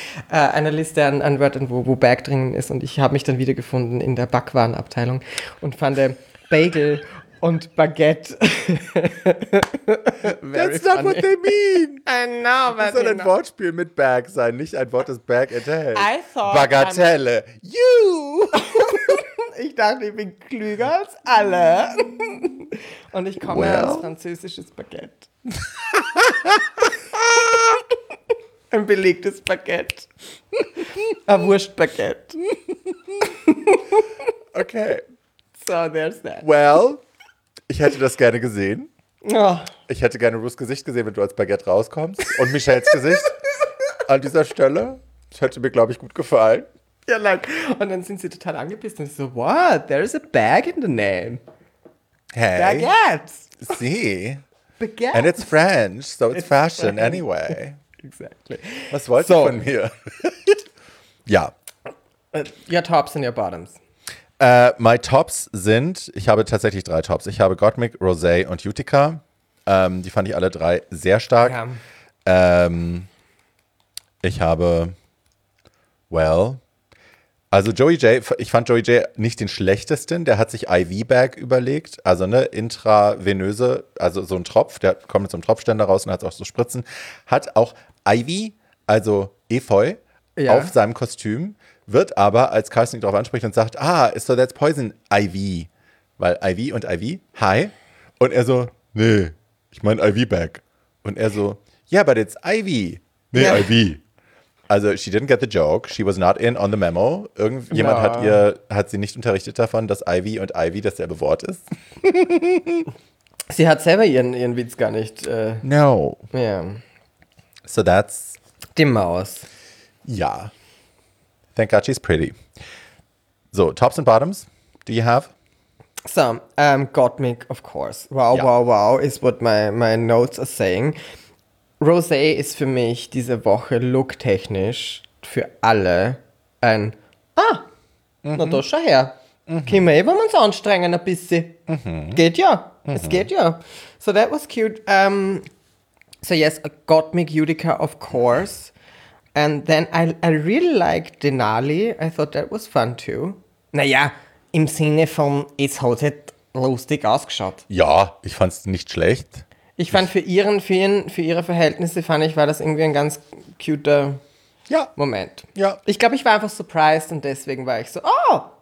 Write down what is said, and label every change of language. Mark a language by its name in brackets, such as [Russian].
[German] Eine Liste an Wörtern, wo bag drin ist. Und ich habe mich dann wiedergefunden in der Backwarenabteilung und fand Bagel und Baguette. [English] That's not funny. What they mean. I know, [German] but das soll ein Wortspiel mit bag sein, nicht ein Wort, das bag enthält. [English] I thought... Bagatelle. You! [German] Ich dachte, ich bin klüger als alle. Und ich komme aus französisches Baguette. Ein belegtes Baguette. Ein Wurstbaguette. [English] Okay. So, there's that. [German] Well, ich hätte das gerne gesehen. Oh. Ich hätte gerne Ruths Gesicht gesehen, wenn du als Baguette rauskommst. Und Michelles Gesicht an dieser Stelle. Das hätte mir, glaube ich, gut gefallen. Ja, like, und dann sind sie total angepisst und so, what? [English] There is a bag in the name. Hey. Baguettes. See. Baguettes. And it's French, so it's fashion French. Anyway. Exactly. [German] Was wollt ihr von mir? Ja. [English] Your tops and your bottoms. [German] My tops sind, ich habe tatsächlich 3 Tops. Ich habe Gottmik, Rosé und Utica. Die fand ich alle 3 sehr stark. Ja. Ich habe, well... Also Joey J, ich fand Joey J nicht den schlechtesten, der hat sich IV-Bag überlegt, also ne, intravenöse, also so ein Tropf, der kommt mit so einem Tropfständer raus und hat auch so Spritzen, hat auch IV, also Efeu, auf seinem Kostüm, wird aber, als Carsten darauf anspricht und sagt, [English] so that's poison, [German] IV, weil IV und IV, hi, und er so, nee, ich meine IV-Bag, und er so, [English] yeah, but it's IV, [German] nee, yeah. IV. [English] Also, she didn't get the joke. She was not in on the memo. [German] Irgendjemand hat sie nicht unterrichtet davon, dass Ivy und Ivy dasselbe Wort ist. Sie hat selber ihren Witz gar nicht. [English] No. Yeah. So that's... [German] Die Maus. [English] Ja. Thank God she's pretty. So, tops and bottoms. Do you have? So, Gottmik, of course. Wow, is what my notes are saying. [German] Rosé ist für mich diese Woche looktechnisch für alle ein Na, da schau her. Kim, wir müssen uns anstrengen ein bisschen. Mhm. Geht ja. Mhm. Es geht ja. [English] So that was cute. So yes, I got me Utica, of course. And then I really liked Denali. I thought that was fun too. [German] Naja, im Sinne von, es hat halt lustig ausgeschaut. Ja, ich fand es nicht schlecht. Ich fand für ihre Verhältnisse, fand ich, war das irgendwie ein ganz cuter ja. Moment. Ja. Ich glaube, ich war einfach surprised und deswegen war ich so, oh,